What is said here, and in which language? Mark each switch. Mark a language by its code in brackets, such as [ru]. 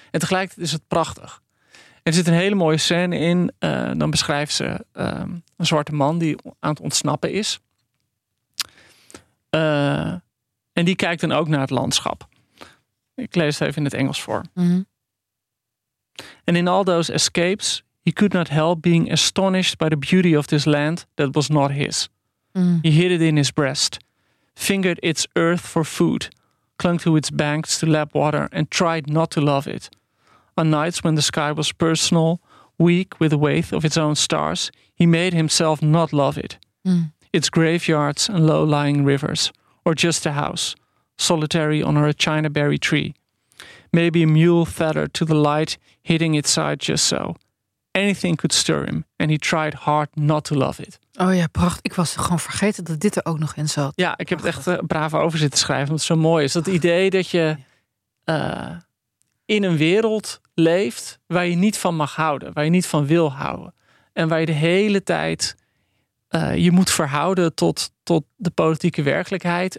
[nl] En tegelijkertijd is het prachtig. Er zit een hele mooie scène in. Dan beschrijft ze een zwarte man die aan het ontsnappen is. En die kijkt dan ook naar het landschap. Ik lees het even in het Engels voor. [en] And in all those escapes, he could not help being astonished by the beauty of this land that was not his. He hid it in his breast, fingered its earth for food, clung to its banks to lap water, and tried not to love it. On nights when the sky was personal, weak with the weight of its own stars, he made himself not love it. Its graveyards and low-lying rivers, or just a house, solitary under a china berry tree. Maybe a mule feathered to the light, hitting its side just so. Anything could stir him, and he tried hard not to love it. [nl] Oh ja, prachtig. Ik was gewoon vergeten dat dit er ook nog in zat. Ja, ik heb prachtig. Het echt braaf over zitten schrijven, omdat het zo mooi is. Dat idee dat je in een wereld leeft waar je niet van mag houden, waar je niet van wil houden. En waar je de hele tijd je moet verhouden tot de politieke werkelijkheid.